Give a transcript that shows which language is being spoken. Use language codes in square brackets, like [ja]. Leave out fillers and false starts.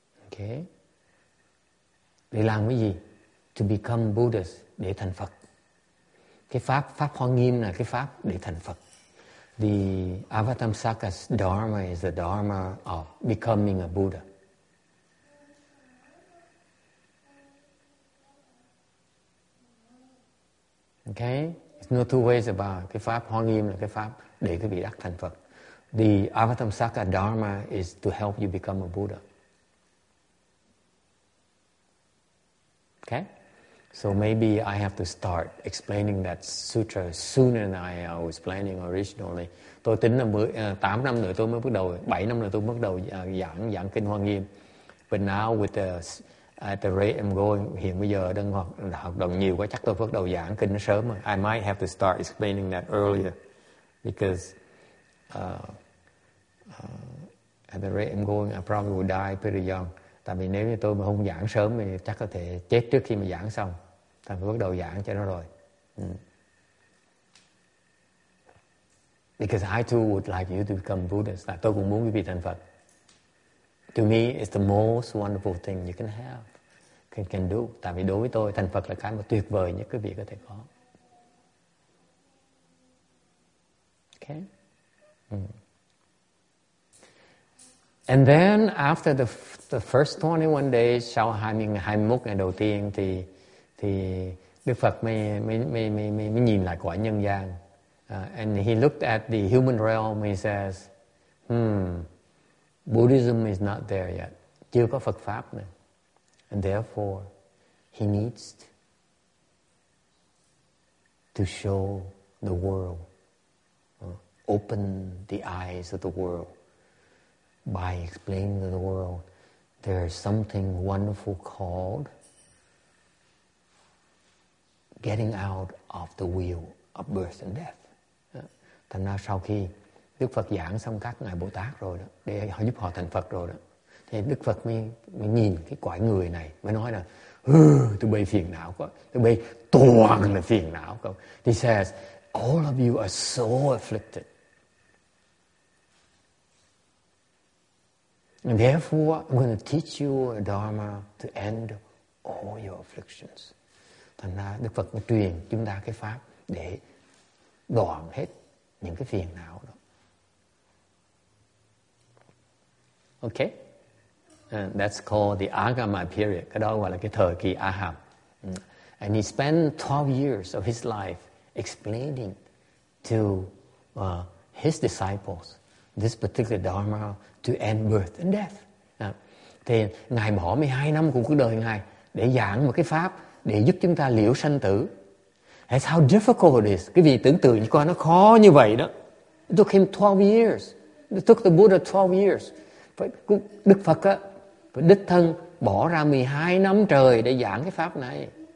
[vi] Okay. Để làm cái gì? [en] To become Buddhas, [vi] để thành Phật. Cái pháp Hoa Nghiêm là cái pháp để thành Phật. [en] The Avatamsaka's Dharma is the Dharma of becoming a Buddha. Okay? There's no two ways about it. [vi] Cái pháp Hoa Nghiêm là cái pháp để quý vị đắc thành Phật. [en] The Avatamsaka Dharma is to help you become a Buddha. Okay? So maybe I have to start explaining that sutra sooner than I was planning originally. [vi] Tôi tính là 8 năm nữa tôi mới bắt đầu, 7 năm nữa tôi bắt đầu giảng kinh Hoa Nghiêm. [en] But now with the at the rate I'm going, [vi] hiện bây giờ đang học đồng nhiều quá, chắc tôi bắt đầu giảng kinh nó sớm rồi. [en] I might have to start explaining that earlier, because at the rate I'm going, I probably will die pretty young. [vi] Tại vì nếu như tôi mà không giảng sớm thì chắc có thể chết trước khi mà giảng xong. Tại vì bắt đầu giảng cho nó rồi. [en] Because I too would like you to become Buddhist. [vi] Là tôi cũng muốn quý vị thành Phật. [en] To me, it's the most wonderful thing you can have, can do. [vi] Tại vì đối với tôi, thành Phật là cái mà tuyệt vời nhất quý vị có thể có. [en] Okay? And then after the first 21 days, [vi] sau 21 ngày đầu tiên thì Đức Phật mới nhìn lại quả nhân gian. [en] And he looked at the human realm, he says, Buddhism is not there yet. [vi] Chưa có Phật pháp nữa. [en] And therefore he needs to show the world, open the eyes of the world by explaining to the world there is something wonderful called getting out of the wheel of birth and death. [vi] Thành ra sau khi Đức Phật giảng xong các ngài Bồ Tát rồi đó, để họ giúp họ thành Phật rồi đó, thì Đức Phật mới nhìn cái quả người này mới nói là tôi bị phiền não quá, tôi bị toàn là phiền não quá. [en] He says all of you are so afflicted. And therefore, I'm going to teach you a dharma to end all your afflictions. [vi] Thành ra Đức Phật mới truyền chúng ta cái pháp để đoạn hết những cái phiền não đó. [en] Okay? And that's called the Agama period. [vi] Cái đó gọi là cái thời kỳ A-hàm. [en] And he spent 12 years of his life explaining to his disciples this particular dharma to end birth and death. [vi] Thì Ngài bỏ 12 năm của cuộc đời Ngài để giảng một cái pháp để giúp chúng ta liễu sanh tử. [en] That's how difficult it is. [vi] Cái vị tưởng tượng như con nó khó như vậy đó. [en] It took him 12 years. It took the Buddha 12 years. [vi] Đức Phật á, đích thân bỏ ra 12 năm trời để giảng cái pháp này.